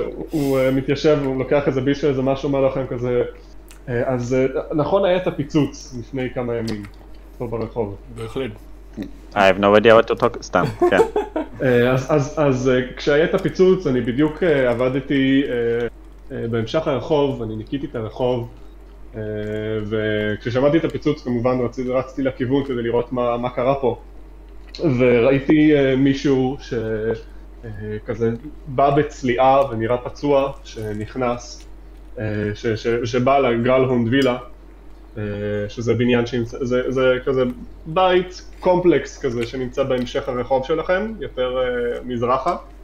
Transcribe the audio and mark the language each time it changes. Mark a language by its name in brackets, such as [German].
[Hebrew] הוא מתיישב, הוא לוקח איזה ביש של איזה משהו, אומר לכם כזה. אז נכון היה את הפיצוץ לפני כמה ימים פה ברחוב. בהחליט. [English] I have no idea what to talk, [Hebrew] סתם, כן. אז כשהיה את הפיצוץ, אני בדיוק עבדתי... בהמשך הרחוב, אני ניקיתי את הרחוב, וכששמעתי את הפיצוץ, כמובן רצתי לכיוון כדי לראות מה קרה פה. וראיתי מישהו שכזה בא בצליעה ונראה פצוע, שנכנס, שבא לגרלהונד וילה, שזה בניין, זה כזה בית קומפלקס כזה שנמצא בהמשך הרחוב שלכם, יותר מזרחה.